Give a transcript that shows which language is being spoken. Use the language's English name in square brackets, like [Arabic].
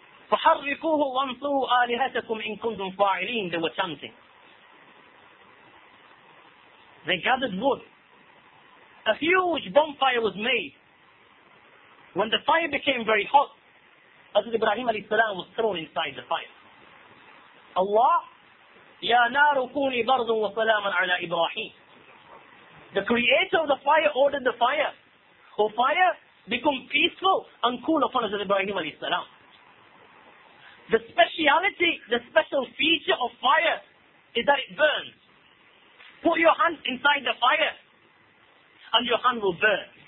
[Arabic] فَحَرِّقُوهُ وَانْصُوا آلِهَتَكُمْ إِن كُنْتُمْ فَاعِلِينَ. [English] They were chanting. They gathered wood. A huge bonfire was made. When the fire became very hot, Hazrat Ibrahim alayhi salam was thrown inside the fire. [Arabic] Allah, يَا نَارُ كُونِي بَرْضٌ وَسَلَامًا عَلَىٰ إِبْرَاهِيمٍ. [English] The creator of the fire ordered the fire, O fire, become peaceful and cool upon Hazrat Ibrahim alayhi salam. The speciality, the special feature of fire is that it burns. Put your hand inside the fire and your hand will burn.